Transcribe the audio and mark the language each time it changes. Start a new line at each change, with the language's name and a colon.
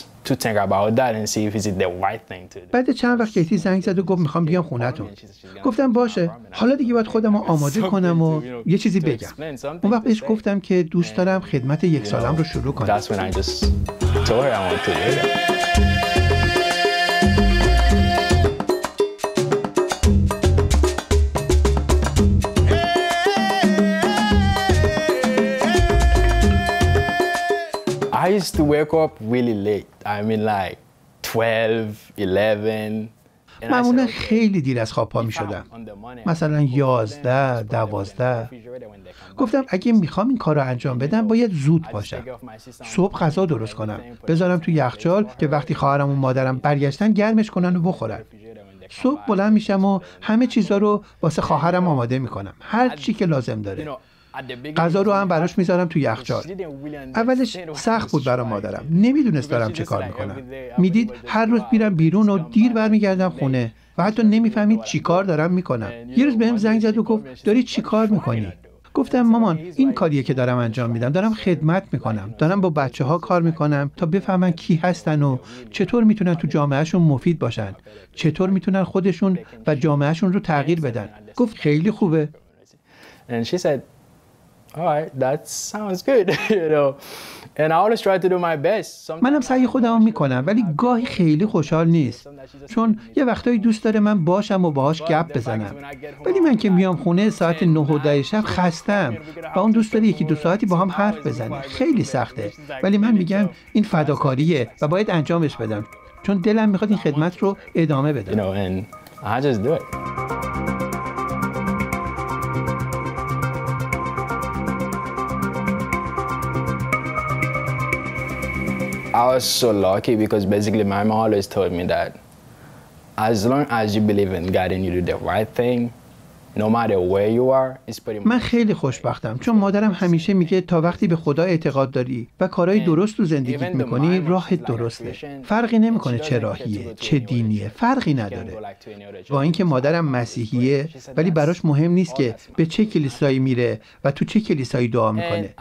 English: To think about that and see if it's the right thing to do.
Persian: بعد چند وقت کیتی زنگ زد و گفت میخوام بیام خونتون. گفتم باشه. حالا دیگه باید خودم رو آماده کنم و یه چیزی بگم. اون وقت بهش گفتم که دوست دارم خدمت 1 سالم رو شروع کنم.
English: That's when I just told her I want to do that. I used to wake up really late. I mean like 12, 11.
Persian: معمولا خیلی دیر از خواب پا می شدم، مثلا 11, 12. گفتم اگه میخوام این کار رو انجام بدم باید زود باشم، صبح غذا درست کنم بذارم تو یخچال که وقتی خواهرم و مادرم برگشتن گرمش کنن و بخورن. صبح بلند میشم و همه چیزا رو واسه خواهرم آماده میکنم، هر چی که لازم داره. غذا رو هم براش میذارم تو یخچال. اولش سخت بود برای مادرم، نمیدونست دارم چه کار میکنم. میدید هر روز میرم بیرون و دیر برمیگردم خونه و حتی نمیفهمید چی کار دارم میکنم. یه روز بهم زنگ زد و گفت داری چی کار میکنی؟ گفتم مامان این کاریه که دارم انجام میدم، دارم خدمت میکنم، دارم با بچه ها کار میکنم تا بفهمن کی هستن و چطور میتونن تو جامعهشون مفید باشن، چطور میتونن خودشون و جامعهشون رو تغییر بدن. گفت خیلی خوبه.
English: Alright, that sounds good, you know. And I always try to do my best.
Persian: منم سعی خودم میکنم، ولی گاهی خیلی خوشحال نیست. چون یه وقتایی دوست داره من باشم و باهاش گپ بزنم. ولی من که میام خونه ساعت 9 و 10 شب خستم و اون دوست داره یکی 2 ساعتی با هم حرف بزنه. خیلی سخته. ولی من میگم این فداکاریه و باید انجامش بدم. چون دلم میخواد این خدمت رو ادامه بدم.
English: You know, and I just do it. I was so lucky because basically my mom always told me that as long as you believe in God and you do the right thing, no matter where you are, it's pretty much.
Persian: من خیلی خوشبختم چون مادرم همیشه میگه تا وقتی به خدا اعتقاد داری و کارهای درست تو زندگیت میکنی، راهت درسته. فرقی نمیکنه چه راهیه، چه دینیه، فرقی نداره. با اینکه مادرم مسیحیه، ولی براش مهم نیست که به چه کلیسایی میره و تو چه کلیسایی دعا میکنه.